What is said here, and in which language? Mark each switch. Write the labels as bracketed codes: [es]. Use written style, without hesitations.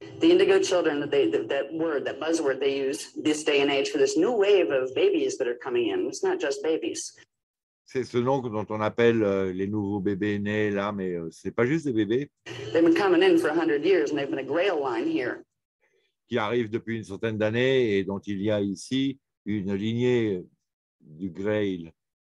[en] The indigo children, that word, that buzzword they use this day and age for this new wave of babies that are coming in. It's not just babies. [fr] C'est ce nom dont on appelle les nouveaux bébés nés là, mais ce n'est pas juste des bébés. [en] They've been coming in for 100 years and they've been a grail line here. [fr] Qui arrivent depuis une centaine d'années et dont il y a ici une lignée du grail.